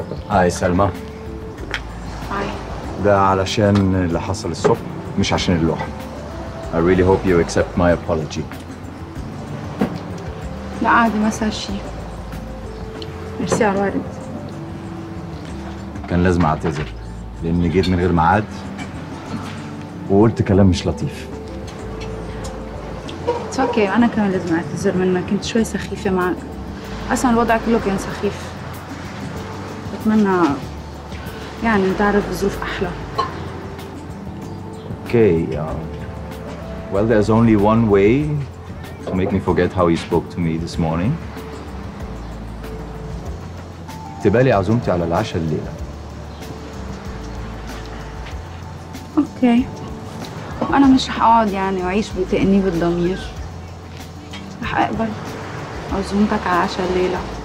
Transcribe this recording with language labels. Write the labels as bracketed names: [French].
[Arabic] هاي سلمى. هاي. ده علشان اللي حصل الصبح مش عشان اللوحة. [English] I really hope you accept my apology. [Arabic] لا عادي ما صار شيء. ميرسي على الورد. كان لازم اعتذر لأني جيت من غير ميعاد وقلت كلام مش لطيف. [English] It's okay. [Arabic] أنا كان لازم اعتذر منك، كنت شوي سخيفة معك. أصلا الوضع كله كان سخيف. أتمنى يعني نتعرف بظروف أحلى. [English] Okay. Well, there's only one way to make me forget how you spoke to me this morning. [Arabic] تبالي عزومتي على العشاء الليلة. [English] Okay. [Arabic] أنا مش رح أقعد يعني وأعيش بتأنيب الضمير. رح أقبل عزومتك على العشاء الليلة.